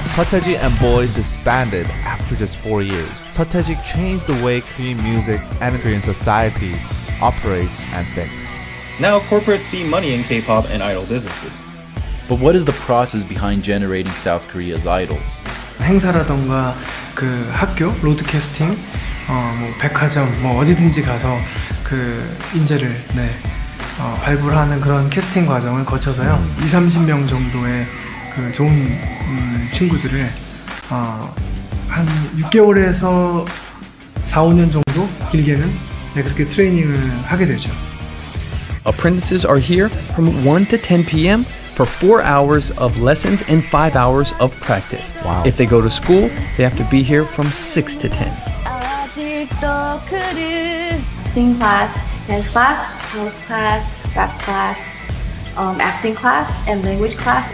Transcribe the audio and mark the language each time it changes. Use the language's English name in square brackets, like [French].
[English] Sateji and Boys disbanded after just 4 years. Sateji changed the way Korean music and Korean society operates and thinks. Now corporates see money in K-pop and idol businesses. But what is the process behind generating South Korea's idols? [Korean] 행사라던가 그 학교 로드캐스팅 뭐 백화점 뭐 어디든지 가서 그 인재를 네 발굴하는 그런 캐스팅 과정을 거쳐서요 20-30명 정도의 그 좋은 친구들을 한 6개월에서 4-5년 정도 길게는 네, 그렇게 트레이닝을 하게 되죠. [English] Apprentices are here from 1 to 10 p.m. for 4 hours of lessons and 5 hours of practice. Wow. If they go to school, they have to be here from 6 to 10. Sing class, dance class, dance class, rap class, acting class, and language class.